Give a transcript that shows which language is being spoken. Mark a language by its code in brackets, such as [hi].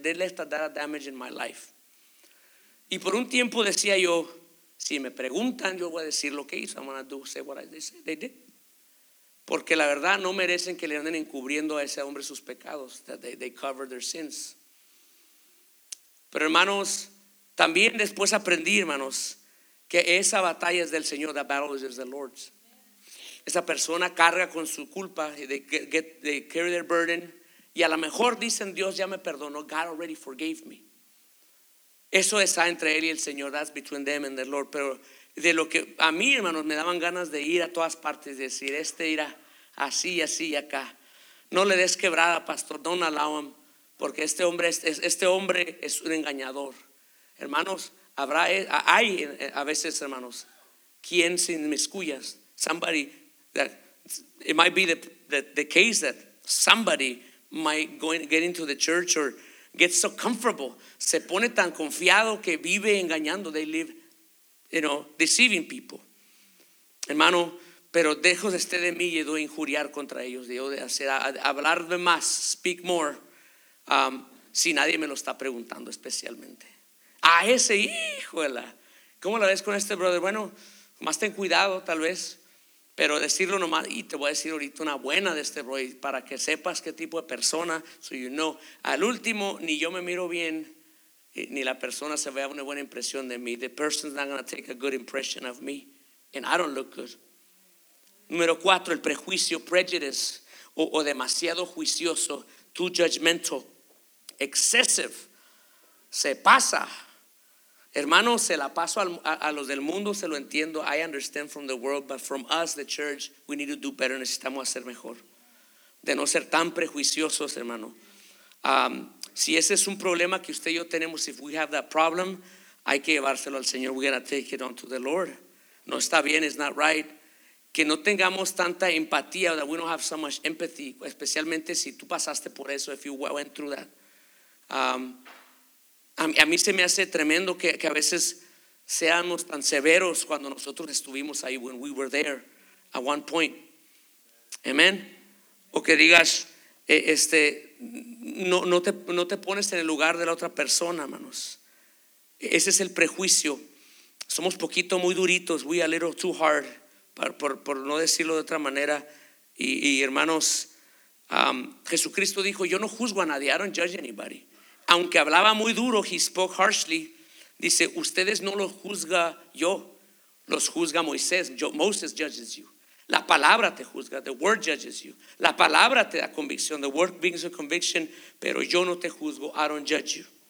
[en] They left a lot of damage in my life. [es] Y por un tiempo decía yo, si me preguntan, yo voy a decir lo que hizo. [en] I'm going to say what they said. They did. [es] Porque la verdad no merecen que le anden encubriendo a ese hombre sus pecados. [en] That they cover their sins. [es] Pero hermanos, también después aprendí, hermanos, que esa batalla es del Señor. [en] That battle is the Lord's. [es] Esa persona carga con su culpa. [en] They carry their burden. [es] Y a lo mejor dicen, Dios ya me perdonó. [en] God already forgave me. [es] Eso está entre él y el Señor. [en] That's between them and the Lord. [es] Pero de lo que a mí, hermanos, me daban ganas de ir a todas partes, decir, este irá así, así y acá. No le des quebrada, pastor. [en] Don't allow him. [es] Porque este hombre es un engañador. Hermanos, hay a veces, hermanos, quien se inmiscuya. [en] Somebody that it might be the case that somebody might get into the church or get so comfortable. [es] Se pone tan confiado que vive engañando. [en] They live, you know, deceiving people. [es] Hermano, pero dejo de estar de mí y de injuriar contra ellos. Dejo de hacer, hablar de más, [en] speak more. [es] Si nadie me lo está preguntando especialmente. A ese, híjole, ¿cómo la ves con este brother? Bueno, más ten cuidado tal vez. Pero decirlo nomás, y te voy a decir ahorita una buena de este brother, para que sepas qué tipo de persona. [en] So you know, [es] al último, ni yo me miro bien, ni la persona se vea una buena impresión de mí. [en] The person's not going to take a good impression of me. And I don't look good. [es] Número 4, el prejuicio, prejudice, o demasiado juicioso. [en] Too judgmental, excessive, [es] se pasa. Hermano, se la paso a los del mundo, se lo entiendo. [en] I understand from the world, but from us, the church, we need to do better. [es] Necesitamos hacer mejor, de no ser tan prejuiciosos, hermano. Si ese es un problema que usted y yo tenemos, [en] if we have that problem, [es] hay que llevárselo al Señor. [en] We gotta take it on to the Lord. [es] No está bien, [en] it's not right. [es] Que no tengamos tanta empatía, [en] that we don't have so much empathy, [es] especialmente si tú pasaste por eso, [en] if you went through that. [es] A mí se me hace tremendo que a veces seamos tan severos cuando nosotros estuvimos ahí, [en] when we were there at one point. [es] Amen. O que digas, no te pones en el lugar de la otra persona, hermanos. Ese es el prejuicio. Somos poquito muy duritos, [en] we a little too hard. [es] Por no decirlo de otra manera. Y hermanos, Jesucristo dijo, yo no juzgo a nadie, [en] I don't judge anybody. [es] Aunque hablaba muy duro, [en] he spoke harshly. [es] Dice, ustedes no los juzga yo, los juzga Moisés. [en] Moses judges you. [es] La palabra te juzga, [en] the word judges you. [es] La palabra te da convicción, [en] the word brings a conviction. [es] Pero yo no te juzgo, [en] I don't judge you.